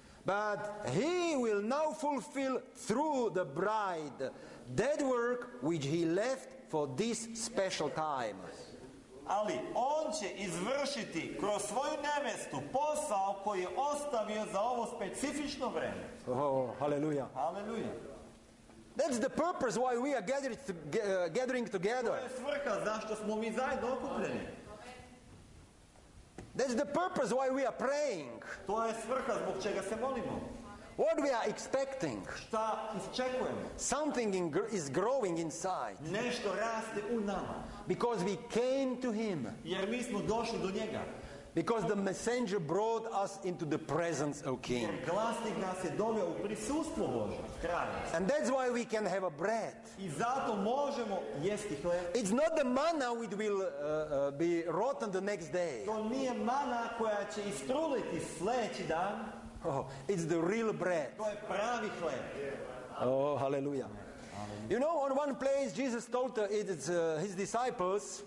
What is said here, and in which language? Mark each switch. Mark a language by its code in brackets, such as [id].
[en] But he will now fulfill through the bride that work which he left for this special time. [sr] Ali on će izvršiti kroz svoju nevestu posao koji je ostavio za ovo specifično vreme. [en] Oh, hallelujah. Hallelujah. That's the purpose why we are gathering together. [sr] To je svrha zašto smo mi zajedno okupljeni. [en] That's the purpose why we are praying. [sr] To je svrha zbog čega se molimo. [en] What we are expecting? [sr] Šta iščekujemo? [en] Something is growing inside. [sr] Nešto raste u nama. [en] Because we came to him. [sr] Jer mi smo došli do njega. [en] Because the messenger brought us into the presence of King. [sr] Jer glasnik nas je doveo u prisustvo Božje, kralja. [en] And that's why we can have a bread. [sr] I zato možemo jesti hleb. [en] It's not the manna which will be rotten the next day. [sr] To nije mana koja će istruliti sljedeći dan. [en] Oh, it's the real bread. [sr] To je pravi hleb. [en] Oh, hallelujah. You know, on one place Jesus told his disciples.